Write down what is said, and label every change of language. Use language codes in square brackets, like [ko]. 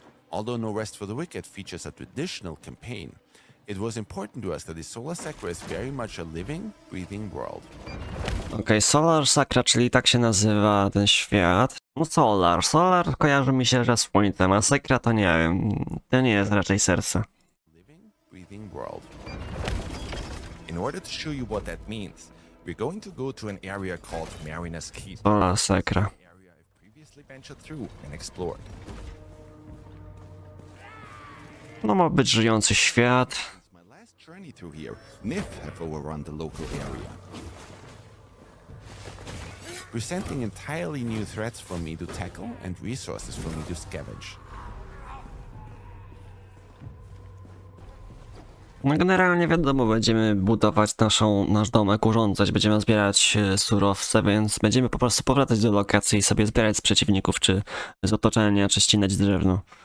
[en] Although No Rest for the Wicked features a traditional campaign, it was important to us that the Solar Sacra is very much a living, breathing world. [pl] Okej, Solar Sacra, czyli tak się nazywa ten świat. No Solar. Solar kojarzy mi się, że słońcem, a Sacra to nie wiem. To nie jest raczej serce. [en] World. In order to show you what that means, we're going to go to an area called Mariner's Keep. Ola Sacra. Area I've previously ventured through and explored. [pl] No ma być żyjący świat. [en] My last journey through here, Nif have overrun the local area. Presenting entirely new threats for me to tackle and resources for me to scavenge. [pl] No generalnie wiadomo, będziemy budować nasz domek, urządzać, będziemy zbierać surowce, więc będziemy po prostu powracać do lokacji i sobie zbierać z przeciwników, czy z otoczenia, czy ścinać drewno.